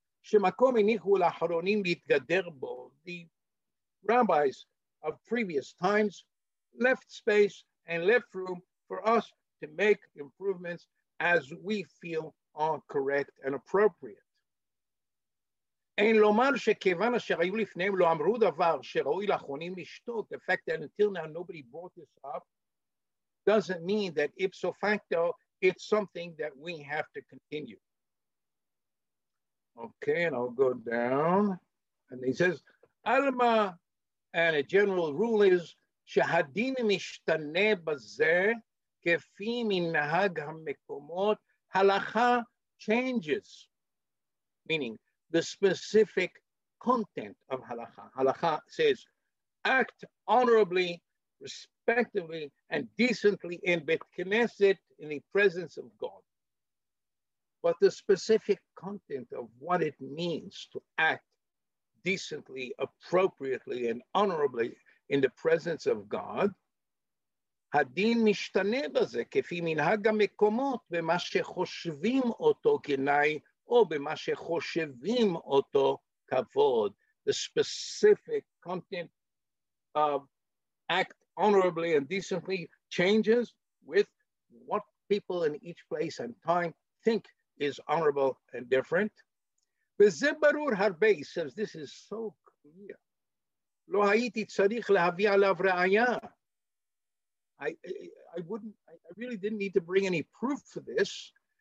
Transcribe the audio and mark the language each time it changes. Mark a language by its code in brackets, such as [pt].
[en] The rabbis of previous times left space and left room for us to make improvements as we feel are correct and appropriate. [he] אין לומר שכיוון אשר היו לפניהם לא אמרו דבר שראוי לאחרונים לשתות. [en] The fact that until now nobody brought this up doesn't mean that ipso facto it's something that we have to continue. Okay, and I'll go down. And he says, Alma, and a general rule is, [he] שהדין משתנה בזה כפי מנהג המקומות, [en] הלכה changes. Meaning, the specific content of halakha. Halakha says, act honorably, respectively, and decently in Beit Knesset in the presence of God. But the specific content of what it means to act decently, appropriately, and honorably in the presence of God, [he] הדין משתנה בזה כפי מנהג המקומות במה שחושבים אותו כנאי או במה שחושבים אותו כבוד. [en] The specific content of act honorably and decently changes with what people in each place and time think is honorable and different. [he] וזה ברור הרבה, [en] he says, this is so clear. [he] לא הייתי צריך להביא עליו ראייה. [en] I really didn't need to bring any proof for this.